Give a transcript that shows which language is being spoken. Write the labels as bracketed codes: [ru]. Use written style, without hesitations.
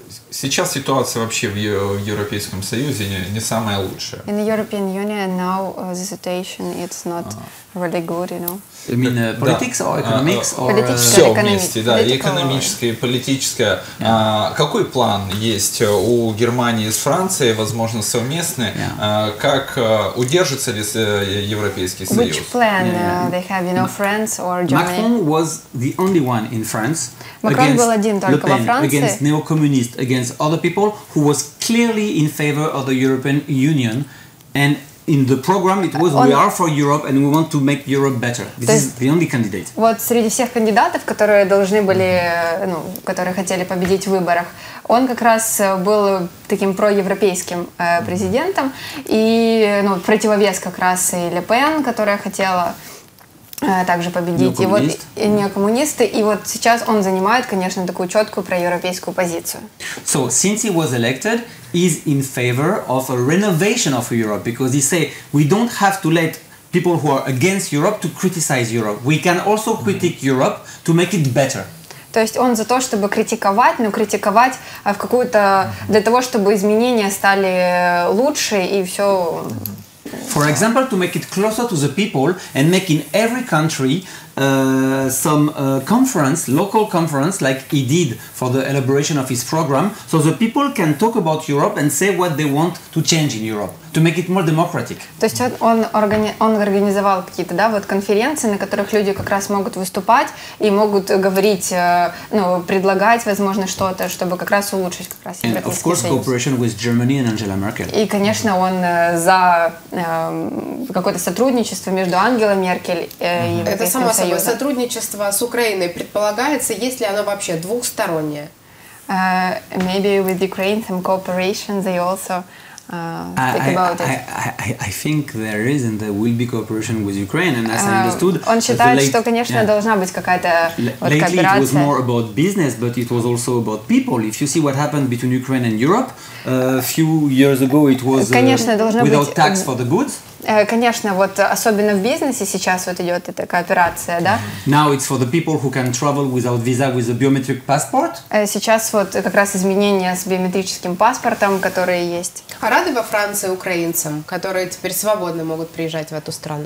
[ru] Сейчас ситуация вообще в Европейском Союзе не самая лучшая. [en] In the European Union now the situation it's not really good, you know. I mean politics or economics or [ru] все вместе, да, и экономическое, и политическое. Какой план есть у Германии с Францией, возможно, совместный? Как удержится ли Европейский Союз? [en] Which plan they have, you know, France or Germany? Macron was the only one in France. [ru] Macron был один только во Франции. [en] Against neo-communist, against other people who was clearly in favor of the European Union, and in the program it was we are for Europe and we want to make Europe better. This is the only candidate. [ru] Вот среди всех кандидатов, которые должны были, ну, которые хотели победить в выборах, он как раз был таким проевропейским президентом и, ну, противовес как раз и Ле Пен, которая хотела также победить. Неокоммунист. И вот неокоммунисты. И вот сейчас он занимает, конечно, такую четкую проевропейскую позицию. [en] So, since he was elected, he's in favor of a renovation of Europe, because he say we don't have to let people who are against Europe to criticize Europe. We can also critique Europe to make it better. [ru] То есть он за то, чтобы критиковать, но критиковать в какую-то для того, чтобы изменения стали лучше и все. [en] For example, to make it closer to the people and make in every country some conference, local conference, like he did for the elaboration of his program, so the people can talk about Europe and say what they want to change in Europe, to make it more democratic. [ru] То есть он организовал какие-то, да, вот конференции, на которых люди как раз могут выступать и могут говорить, ну, предлагать, возможно, что-то, чтобы как раз улучшить как раз Европейский Союз. [en] And of course, cooperation with Germany and Angela Merkel. [ru] И, конечно, он за какое-то сотрудничество между Ангелой Меркель и Европейским Союзом. Это само собой сотрудничество с Украиной предполагается, есть ли оно вообще двухстороннее? [en] Maybe with Ukraine some cooperation they also I think there is and there will be cooperation with Ukraine, and as I understood, [ru] он считает, что, конечно, должна быть какая-то кооперация. [en] Lately it was more about business, but it was also about people. If you see what happened between Ukraine and Europe, a few years ago it was without tax for the goods. [ru] Конечно, вот особенно в бизнесе сейчас вот идет эта кооперация, да? [en] Now it's for the people who can travel without visa with a biometric passport. [ru] Сейчас вот как раз изменения с биометрическим паспортом, которые есть. А рады во Франции украинцам, которые теперь свободно могут приезжать в эту страну?